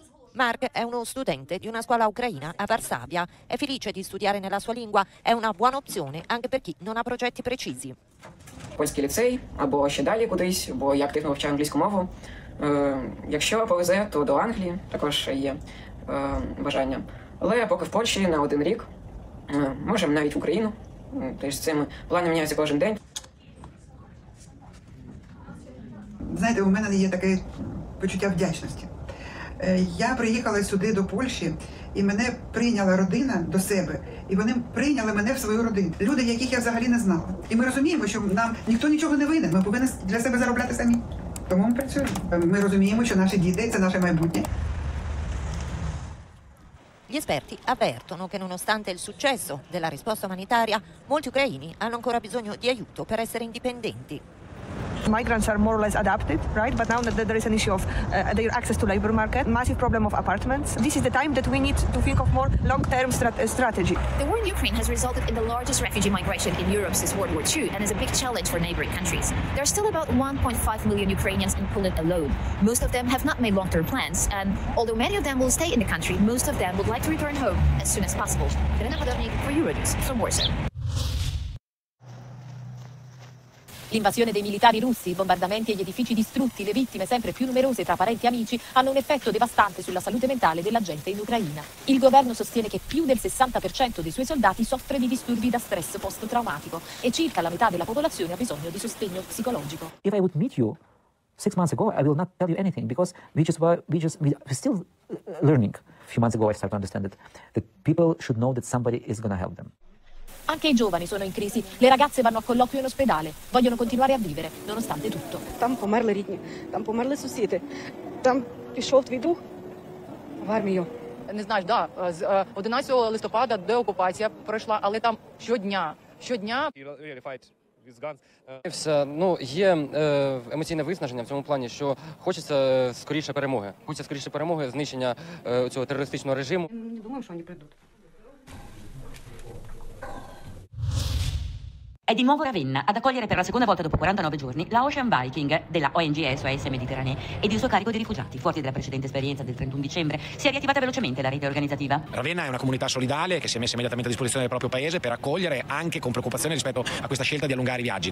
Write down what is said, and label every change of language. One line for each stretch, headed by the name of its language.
Italian: Mark è uno studente di una scuola ucraina a Varsavia. È felice di studiare nella sua lingua. È una buona opzione anche per chi non ha progetti precisi.
Ukrainian: Польський ліцей або ще далі кудись, бо я активно вивчаю англійську мову. Якщо повезе, то до Англії також є бажання. Але поки в Польщі на один рік, можемо навіть в Україну. Тож цими плани міняються кожен день. Знаєте, у мене є таке почуття вдячності. Я приїхала сюди до Польщі, і мене прийняла родина до себе, і вони прийняли мене в свою родину. Люди, яких я взагалі не знала. І ми розуміємо, що нам ніхто нічого не винен, ми повинні для себе заробляти самі. Тому ми працюємо. Ми розуміємо, що наші діти – це наше майбутнє.
Italian: Gli esperti avvertono che nonostante il successo della risposta umanitaria, molti ucraini hanno ancora bisogno di aiuto per essere indipendenti.
English: Migrants are more or less adapted, right? But now that there is an issue of their access to labor market, massive problem of apartments. This is the time that we need to think of more long-term strategy. The war in Ukraine has resulted in the largest refugee migration in Europe since World War II and is a big challenge for neighboring countries. There are still about 1.5 million Ukrainians in Poland alone. Most of them have not made long-term plans, and although many of them will stay in the country, most of them would like to return home as soon as possible. Irina Podolnik for Euronews from Warsaw.
Italian: L'invasione dei militari russi, i bombardamenti e gli edifici distrutti, le vittime sempre più numerose tra parenti e amici, hanno un effetto devastante sulla salute mentale della gente in Ucraina. Il governo sostiene che più del 60% dei suoi soldati soffre di disturbi da stress post-traumatico e circa la metà della popolazione ha bisogno di sostegno psicologico.
English: If I would meet you 6 months ago, I will not tell you anything because we're still learning. A few months ago I started to understand that people should know that somebody is going to help them.
Italian: Anche i giovani sono in crisi. Le ragazze vanno a colloquio in ospedale. Vogliono continuare a vivere, nonostante tutto.
Ukrainian: Там померли рідні, там померли сусіди, там пішов твій дух в армію. Не знаєш, да, з 11 листопада деокупація пройшла, але там щодня. Ну, є емоційне виснаження в цьому плані, що хочеться скоріше перемоги. Хочеться скоріше перемоги, знищення цього терористичного режиму. Не думаю, що вони прийдуть.
Italian: È di nuovo Ravenna ad accogliere per la seconda volta dopo 49 giorni la Ocean Viking della ONG SOS Mediterranee ed il suo carico di rifugiati. Forte della precedente esperienza del 31 dicembre, si è riattivata velocemente la rete organizzativa. Ravenna è una comunità solidale che si è messa immediatamente a disposizione del proprio paese per accogliere, anche con preoccupazione rispetto a questa scelta di allungare i viaggi.